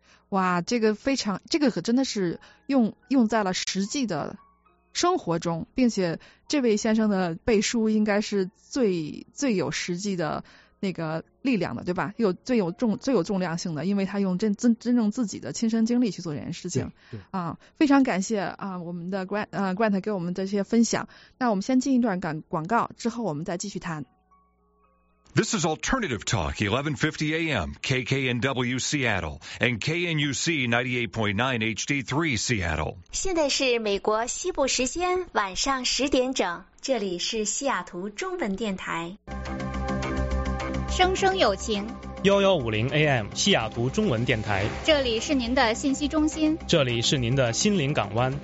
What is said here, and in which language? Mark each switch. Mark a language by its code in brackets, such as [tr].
[zh] 哇，这个非常，这个可真的是用在了实际的生活中，并且这位先生的背书应该是最有实际的那个力量的，对吧？最有重量性的，因为他用真正自己的亲身经历去做这件事情。啊，非常感谢啊，我们的 Grant 给我们这些分享。那我们先进一段广告，之后我们再继续谈。 [en] This is Alternative Talk, 1150 AM, KKNW Seattle, and KNUC 98.9 HD3 Seattle. [zh] 现在是美国西部时间晚上10点整，这里是西雅图中文电台。声声有情， 1150 AM 西雅图中文电台，这里是您的信息中心，这里是您的心灵港湾，